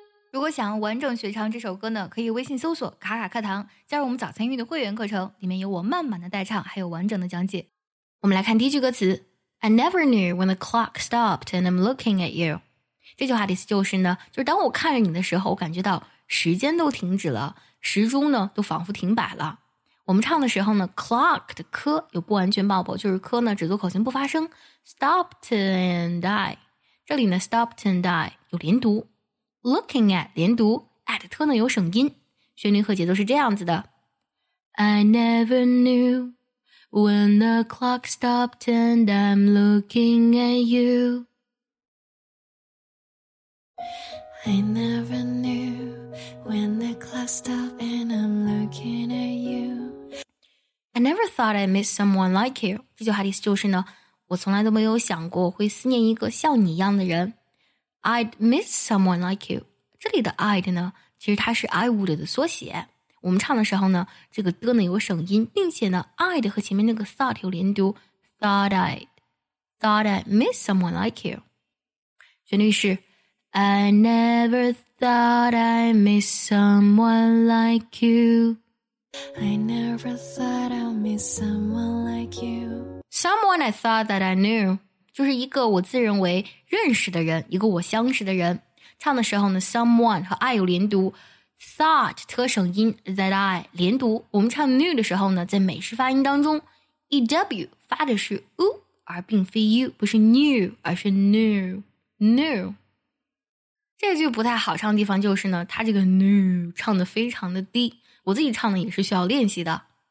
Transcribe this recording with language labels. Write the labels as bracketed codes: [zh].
[zh] 如果想完整学唱这首歌呢，可以微信搜索卡卡课堂，加入我们早餐英语的会员课程，里面有我慢慢的代唱，还有完整的讲解。我们来看第一句歌词 [en] I never knew when the clock stopped and I'm looking at you. [zh] 这句话的意思就是呢，就是当我看着你的时候，我感觉到时间都停止了，时钟呢都仿佛停摆了。我们唱的时候呢 ，clock 的 k 有不完全爆破，就是 k 呢只做口型不发声。 [en] Stopped and I， [zh] 这里呢 stopped and I 有连读 ，looking at 连读 ，at 特呢有省音，旋律和节奏是这样子的。 [en] I never knew when the clock stopped and I'm looking at you. I never knew. When the clock stopped and I'm looking at you. I never thought I'd miss someone like you. [zh] 这句话的意思就是呢，我从来都没有想过会思念一个像你一样的人。 [en] I'd miss someone like you. [zh] 这里的 I'd 呢，其实它是 I would 的缩写。我们唱的时候呢，这个的呢有省音，并且呢 I'd 和前面那个 thought 有连读。 [en] Thought I'd miss someone like you. [zh] 旋律是 [en] I never thought I miss someone like you. I never thought I'd miss someone like you. Someone I thought that I knew. [zh] 就是一个我自认为认识的人，一个我相识的人。唱的时候呢 ,someone 和 I 有连读。 [en] Thought, [zh] 特省音 [en] that I, [zh] 连读。我们唱 knew 的时候呢，在美式发音当中 ,EW 发的是 U, 而并非 U, 不是 new, 而是 new, new. 这句不太好唱的地方就是呢，它这个 new 唱的非常的低，我自己唱的也是需要练习的。